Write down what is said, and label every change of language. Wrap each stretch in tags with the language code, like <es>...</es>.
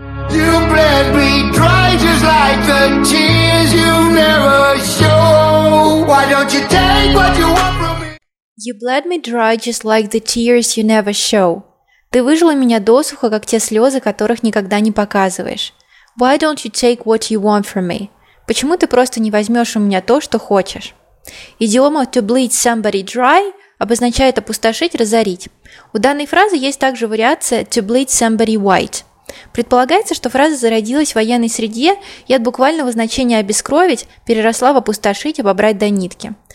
<en>You bled me dry just like the tears you never show. Why don't you take what you want from me? You bled me dry just like the tears you never show.</en> <ru>Ты выжила меня досуха, как те слезы, которых никогда не показываешь.</ru> <en>Why don't you take what you want from me?</en> <ru>Почему ты просто не возьмешь у меня то, что хочешь? Идиома</ru> <en>«to bleed somebody dry»</en> <ru>обозначает опустошить, разорить. У данной фразы есть также вариация</ru> <en>«to bleed somebody white».</en> <ru>Предполагается, что фраза зародилась в военной среде и от буквального значения «обескровить» переросла в «опустошить», «обобрать до нитки».</ru>